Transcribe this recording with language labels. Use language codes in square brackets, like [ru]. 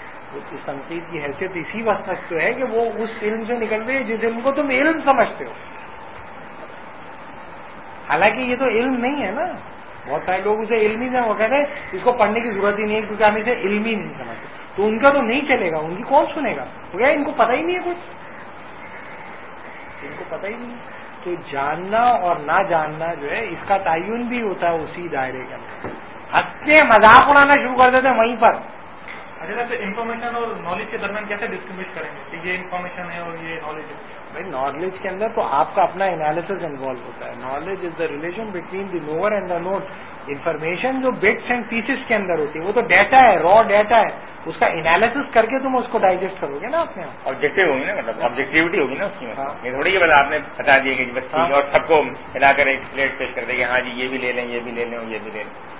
[ur] اس تنقید کی حیثیت اسی وقت تک تو ہے کہ وہ اس علم سے نکل رہے جس علم کو تم علم سمجھتے ہو, حالانکہ یہ تو علم نہیں ہے نا, بہت سارے لوگ اسے علم ہی نہیں, وہ کہتے ہیں اس کو پڑھنے کی ضرورت ہی نہیں ہے کیونکہ ہم اسے علم ہی نہیں سمجھتے, تو ان کا تو نہیں چلے گا, ان کی کون سنے گا, وہ کہ ان کو پتہ ہی نہیں ہے کچھ, ان کو پتہ ہی نہیں ہے, تو جاننا اور نہ جاننا جو ہے اس کا تعین بھی ہوتا ہے اسی دائرے کے اندر, ہنستے مذاق اڑانا شروع کر دیتے ہیں وہیں پر, اچھا سر انفارمیشن اور نالج کے درمیان کیسے ڈسٹنگوش کریں گے یہ انفارمیشن ہے اور یہ نالج ہے؟ بھائی نالج کے اندر تو آپ کا اپنا انالیسز انوالو ہوتا ہے. [en] Knowledge is the relation between the knower and the known. [ur] Information جو بٹس اینڈ پیسز کے اندر ہوتی ہے وہ تو ڈیٹا ہے, را ڈیٹا ہے, اس کا انالیسز کر کے تم اس کو ڈائجسٹ کرو گے نا. آپ نے آبجیکٹیو ہوگی نا, مطلب آبجیکٹیوٹی ہوگی نا اس کی. یہ تھوڑی آپ نے بتا دیے گی بس اور سب کو ملا کر ایک پلیٹ پیش کر دیں گے ہاں جی یہ بھی لے لیں یہ بھی لے لیں یہ بھی لے لیں.